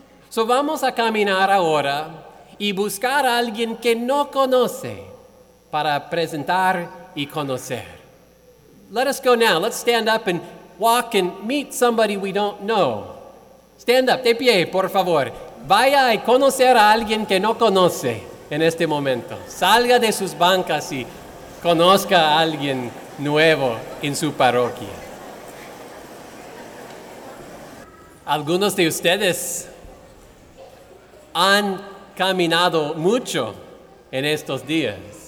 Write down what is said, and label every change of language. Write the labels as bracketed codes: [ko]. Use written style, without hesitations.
[es] So vamos a caminar ahora y buscar a alguien que no conoce para presentar y conocer. [en] Let us go now. Let's stand up and walk and meet somebody we don't know. Stand up, [es] de pie, por favor. Vaya a conocer a alguien que no conoce. En este momento, salga de sus bancas y conozca a alguien nuevo en su parroquia. Algunos de ustedes han caminado mucho en estos días.